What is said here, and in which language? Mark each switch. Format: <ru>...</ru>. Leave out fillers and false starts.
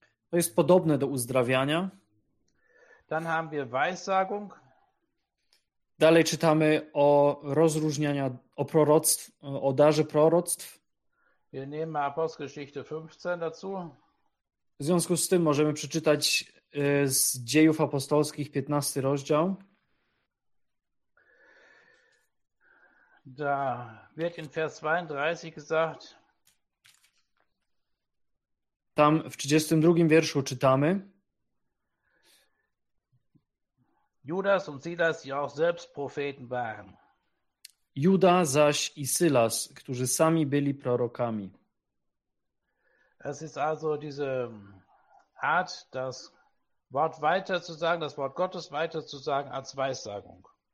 <pl>To jest podobne do uzdrawiania.</pl> <de>Dann haben wir Weissagung.</de> <pl>Dalej czytamy o rozróżniania, o proroctw, o darze proroctw.</pl> <de>Wir nehmen Apostelgeschichte 15 dazu.</de> <pl>W związku z tym możemy przeczytać z Dziejów Apostolskich 15 rozdział.</pl> <de>Da wird in Vers 32 gesagt.</de> <pl>Tam w 32 wierszu czytamy.</pl> <de>Judas und Silas, die auch selbst Propheten waren.</de> <pl>Juda zaś i Sylas, którzy sami byli prorokami.</pl> <de>Es ist also diese Art, das Wort weiter zu sagen, das Wort Gottes weiter zu sagen als Weissagung.</de>